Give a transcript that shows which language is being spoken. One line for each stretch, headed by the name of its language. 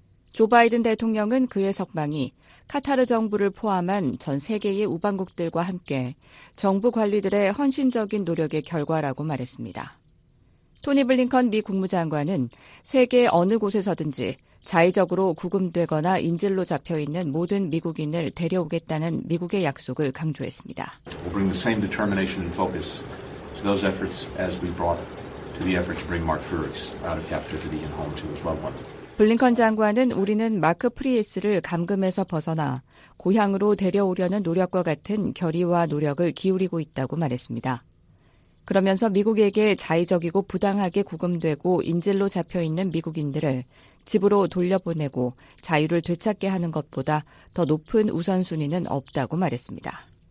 Korean: 조 바이든 대통령은 그의 석방이 카타르 정부를 포함한 전 세계의 우방국들과 함께 정부 관리들의 헌신적인 노력의 결과라고 말했습니다. 토니 블링컨 미 국무장관은 세계 어느 곳에서든지 자의적으로 구금되거나 인질로 잡혀 있는 모든 미국인을 데려오겠다는 미국의 약속을 강조했습니다.
English: We'll bring the same determination and focus to those efforts as we brought to the effort to bring Mark Furis out of captivity and home to his loved ones.
Korean: 블링컨 장관은 우리는 마크 프리에스를 감금에서 벗어나 고향으로 데려오려는 노력과 같은 결의와 노력을 기울이고 있다고 말했습니다. 그러면서 미국에게 자의적이고 부당하게 구금되고 인질로 잡혀 있는 미국인들을 집으로 돌려보내고 자유를 되찾게 하는 것보다 더 높은 우선순위는 없다고 말했습니다.